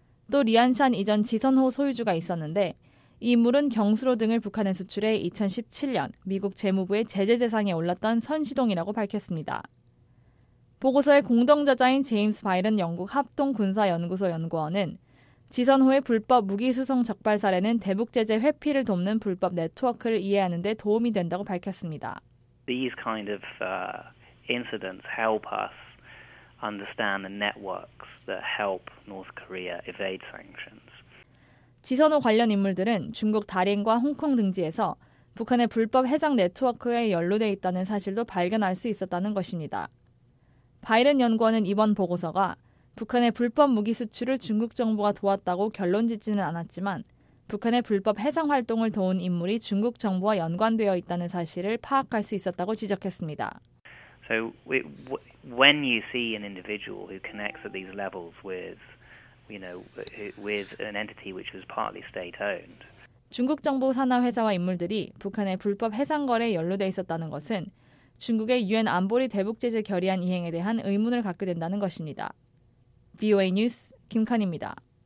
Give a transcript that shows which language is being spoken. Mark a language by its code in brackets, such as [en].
[ko] 또 리안샨 이전 지선호 소유주가 있었는데 이 인물은 경수로 등을 북한에 수출해 2017년 미국 재무부의 제재 대상에 올랐던 선시동이라고 밝혔습니다. 보고서의 공동저자인 제임스 바일은 영국 합동군사연구소 연구원은 지선호의 불법 무기수송 적발 사례는 대북 제재 회피를 돕는 불법 네트워크를 이해하는 데 도움이 된다고 밝혔습니다. [en] These kind of incidents help us understand the networks that help North Korea evade sanctions. [ko] 지선호 관련 인물들은 중국 다린과 홍콩 등지에서 북한의 불법 해상 네트워크에 연루돼 있다는 사실도 발견할 수 있었다는 것입니다. 바이런 연구원은 이번 보고서가 북한의 불법 무기 수출을 중국 정부가 도왔다고 결론 짓지는 않았지만 북한의 불법 해상 활동을 도운 인물이 중국 정부와 연관되어 있다는 사실을 파악할 수 있었다고 지적했습니다. [en] So when you see an individual who connects at these levels with, you know, with an entity which was partly state-owned. [ko] 중국 정부 산하 회사와 인물들이 북한의 불법 해상 거래에 연루돼 있었다는 것은 중국의 유엔 안보리 대북 제재 결의안 이행에 대한 의문을 갖게 된다는 것입니다. VOA 뉴스 김칸입니다.